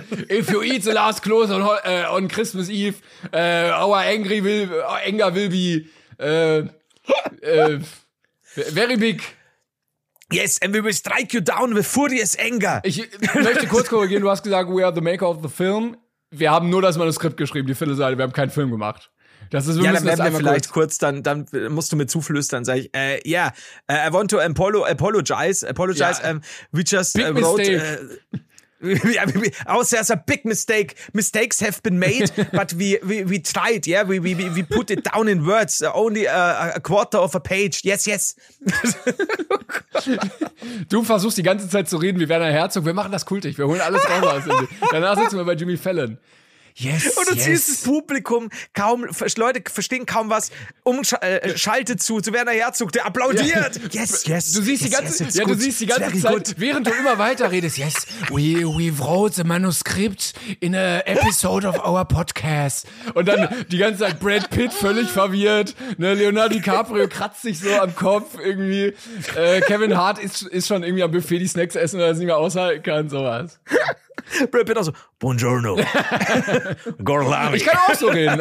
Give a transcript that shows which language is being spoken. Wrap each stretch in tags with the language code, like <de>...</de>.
<en>If you eat the last Klöße, on Christmas Eve, very big. Yes, and we will strike you down with furious anger.</en> <de>Ich möchte kurz korrigieren, du hast gesagt,</de> <en>we are the maker of the film.</en> <de>Wir haben nur das Manuskript geschrieben, die vierte Seite, wir haben keinen Film gemacht. Das ist, ja, dann werden wir vielleicht kurz, dann musst du mir zuflüstern, sag ich,</de> <en>I want to apologize,</en> <de>ja.</de> <en>We just big wrote...</en> <de>Also,</de> <en>there's a big mistake. Mistakes have been made, but we tried. Yeah, we put it down in words. Only a quarter of a page. Yes, yes.</en> <de>Du versuchst die ganze Zeit zu reden. Wir werden ein Herzog. Wir machen das kultig. Wir holen alles raus. Danach sitzen wir bei Jimmy Fallon. Yes, und du siehst das Publikum kaum, Leute verstehen kaum was, schaltet zu Werner Herzog, der applaudiert.</de> <en>Ja. Yes, yes.</en> <de>Du siehst die ganze Zeit, während du immer weiter redest.</de> <en>Yes, we wrote the manuscript in a episode of our podcast.</en> <de>Und dann die ganze Zeit Brad Pitt völlig verwirrt, ne, Leonardo DiCaprio kratzt sich so am Kopf irgendwie, Kevin Hart ist schon irgendwie am Buffet die Snacks essen, weil er es nicht mehr aushalten kann, sowas. Brad Pitt auch so,</de> <it>buongiorno.</it> <de>Gorlami. Ich kann auch so reden.</de>